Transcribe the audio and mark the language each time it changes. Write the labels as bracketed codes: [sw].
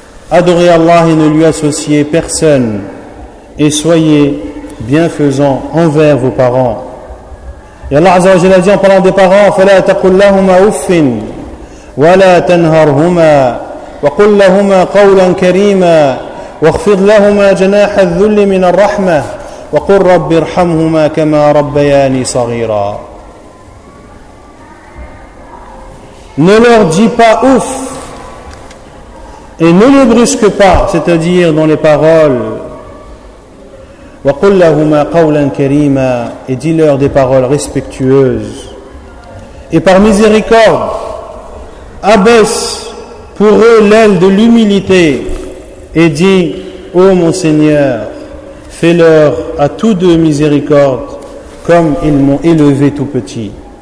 [fr] Adorez Allah et ne lui associez personne. Et soyez bienfaisants envers vos parents. Et Allah Azza wa Jalla dit en parlant des parents, [ar] فَلَا تَقُلْ لَهُمَا أُفٍ وَلَا تَنْهَرْهُمَا وَقُلْ لَهُمَا قَوْلًا كَرِيمًا واخفض لهما جناح الذل من الرحمة وقل رب ارحمهما كما ربياني صغيرا. [fr] Ne leur dis pas ouf et ne les brusque pas, c'est-à-dire dans les paroles. [ar] وقل لهما قولا كريما, [fr] et dis-leur des paroles respectueuses. Et par miséricorde, abaisse pour eux l'aile de l'humilité et dis: ô mon Seigneur, fais-leur à tous deux miséricorde comme ils m'ont élevé tout petit.